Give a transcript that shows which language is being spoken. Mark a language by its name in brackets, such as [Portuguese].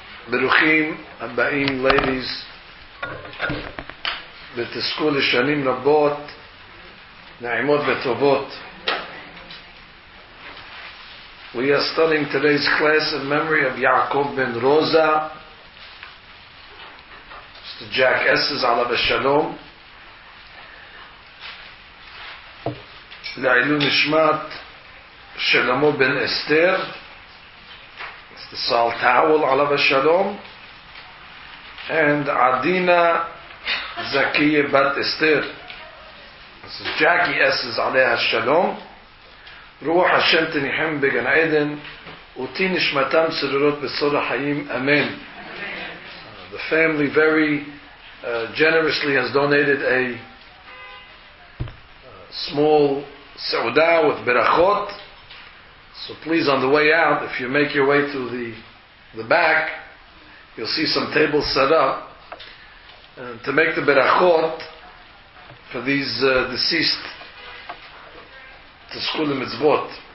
[Hebrew] ברוכים הבאים, [English] ladies, [Hebrew] ותזכו לשנים רבות, נעימות וטובות. [English] We are studying today's class in memory of Yaakov ben Roza, Mr. Jack S's, [Hebrew] עליו השלום. לעילוי נשמת שלמה בן אסתר, Mr. [English] Saul Towel, [Hebrew] עליו השלום, [English] and Adina Zakiya Bat Esther. This is Jackie S's, [Hebrew] עליה השלום. רוח השם תניחם בגן עדן, ותהי נשמתם צרורות בצרור החיים. אמן. [English] The family very generously has donated a small seudah with berachot. So please, on the way out, if you make your way to the back, you'll see some tables set up to make the berachot for these deceased to school in mitzvot.